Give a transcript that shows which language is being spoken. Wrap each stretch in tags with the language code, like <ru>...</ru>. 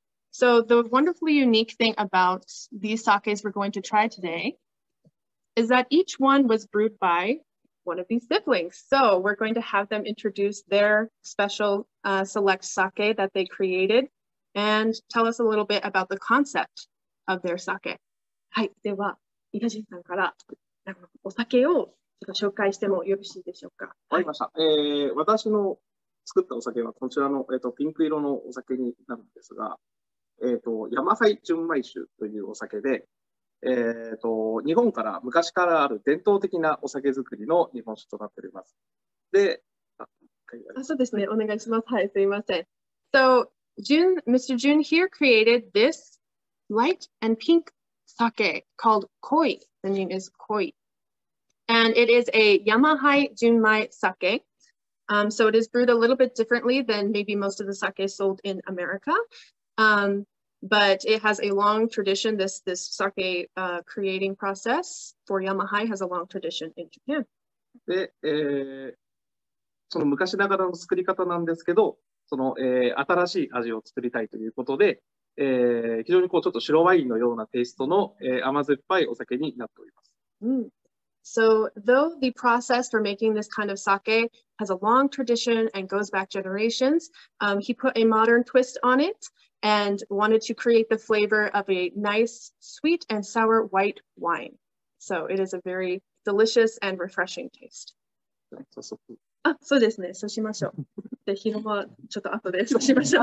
<en>So the wonderfully unique thing about these sakes we're going to try today is that each one was brewed by one of these siblings. So we're going to have them introduce their special select sake that they created and tell us a little bit about the concept of their sake.</en> <ja>はい、では、イダジンさんからお酒をちょっと紹介してもよろしいでしょうか。わかりました。私の作ったお酒はこちらの、ピンク色のお酒になるんですが、ヤマハイ純米酒というお酒で、日本から昔からある伝統的なお酒作りの日本酒となっております。で、そうですね、お願いします。はい、すいません。</ja> <en>So, Mr. Jun here created this light and pink sake called Koi. The name is Koi. And it is a Yamahai Junmai sake. So it is brewed a little bit differently than maybe most of the sake sold in America. But it has a long tradition, this sake creating process for Yamahai has a long tradition in Japan.</en> <ja>で、その昔ながらの作り方なんですけど、その、新しい味を作りたいということで、非常にこうちょっと白ワインのようなテイストの、甘酸っぱいお酒になっております。</ja> <en>So though the process for making this kind of sake has a long tradition and goes back generations, he put a modern twist on it and wanted to create the flavor of a nice sweet and sour white wine. So it is a very delicious and refreshing taste.</en> <ja>あ、そうですね。そうしましょう。で、昼間ちょっと後でそうしましょう。</ja>